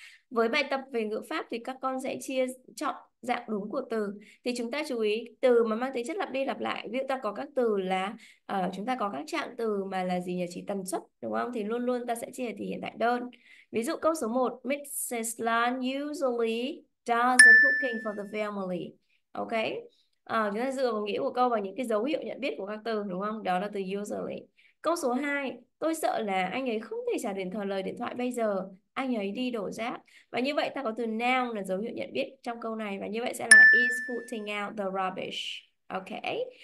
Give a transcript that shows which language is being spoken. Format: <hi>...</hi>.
<vi>Với bài tập về ngữ pháp thì các con sẽ chia chọn dạng đúng của từ. Thì chúng ta chú ý từ mà mang tính chất lặp đi lặp lại. Ví dụ ta có các từ là chúng ta có các trạng từ mà là gì nhỉ? Chỉ tần suất, đúng không? Thì luôn luôn ta sẽ chia thì hiện tại đơn. Ví dụ câu số 1, Mrs.</vi> <en>Lan usually does the cooking for the family. Ok?</en> <vi>Chúng ta dựa vào nghĩa của câu và những cái dấu hiệu nhận biết của các từ, đúng không? Đó là từ usually. Câu số 2, tôi sợ là anh ấy không thể trả điện thoại lời điện thoại bây giờ. Anh ấy đi đổ rác. Và như vậy ta có từ noun là dấu hiệu nhận biết trong câu này. Và như vậy sẽ là</vi> <en>is putting out the rubbish.</en> <vi>Ok.</vi>